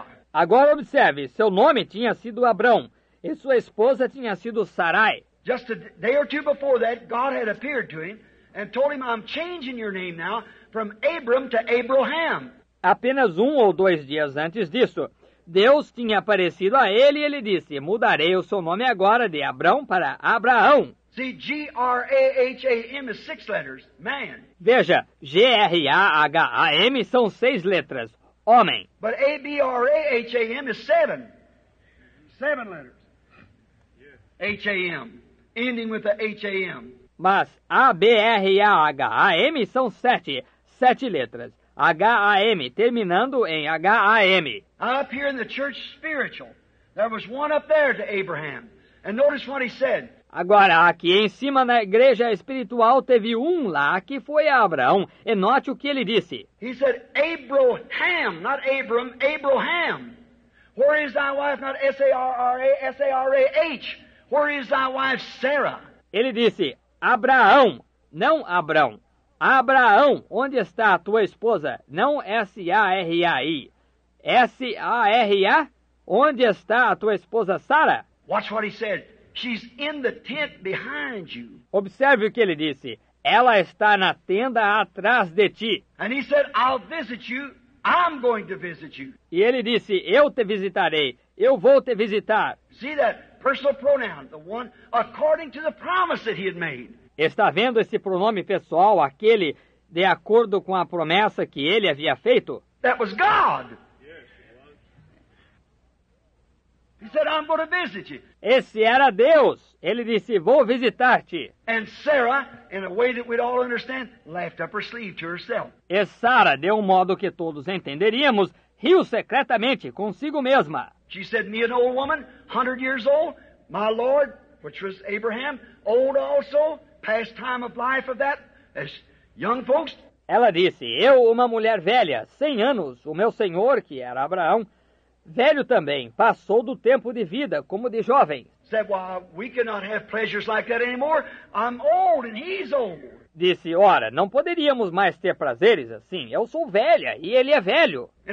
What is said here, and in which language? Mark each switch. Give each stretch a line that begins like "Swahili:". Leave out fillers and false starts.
Portuguese: Agora observe, seu nome tinha sido Abraão. E sua esposa tinha sido Sarai.
English: Just a day or two before that, God had appeared to him and told him, I'm changing your name now from Abram to Abraham.
Portuguese: Apenas um ou dois dias antes disso, Deus tinha aparecido a ele e ele disse, mudarei o seu nome agora de Abrão para Abraão.
English: See, G-R-A-H-A-M is six letters, man.
Portuguese: Veja, G-R-A-H-A-M são seis letras, homem.
English: But A-B-R-A-H-A-M is seven. Seven letters. H-A-M, ending with the H-A-M.
Portuguese: Mas A-B-R-A-H-A-M são sete, sete letras. H-A-M, terminando em H-A-M.
English: Up here in the church spiritual, there was one up there to Abraham. And notice what he said.
Portuguese: Agora, aqui em cima na igreja espiritual, teve um lá que foi Abraão. E note o que ele disse.
English: He said, Abraham, not Abram, Abraham. Where is thy wife? Not S-A-R-R-A, S-A-R-A-H. Where is thy wife Sarah?
Portuguese: Ele disse, Abraão, não Abrão. Abraão, onde está a tua esposa? Não S-A-R-A-I. S-A-R-A, onde está a tua esposa Sara?
English: Watch what he said. She's in the tent behind you.
Portuguese: Observe o que ele disse. Ela está na tenda atrás de ti.
English: And he said, I'll visit you. I'm going to visit you.
Portuguese: E ele disse, eu te visitarei. Eu vou te visitar.
English: See that? Personal pronoun, the one according to the promise that he had made.
Portuguese: Está vendo esse pronome pessoal, aquele de acordo com a promessa que ele havia feito?
English: That was God. He said, I'm going to visit you.
Portuguese: Esse era Deus. Ele disse, vou visitar-te.
English: And Sarah, in a way that we'd all understand, laughed up her sleeve to herself.
Portuguese: E Sara, de um modo que todos entenderíamos, riu secretamente consigo mesma.
English: She said, me an old woman, 100 years old, my Lord, which was Abraham, old also, past time of life of that, as young folks.
Portuguese: Ela disse, eu, uma mulher velha, 100 anos, o meu Senhor, que era Abraão, velho também, passou do tempo de vida, como de jovem.
English: Said, well, we cannot have pleasures like that anymore, I'm old and he's old.
Portuguese: Disse, ora, não poderíamos mais ter prazeres assim. Eu sou velha e ele é velho.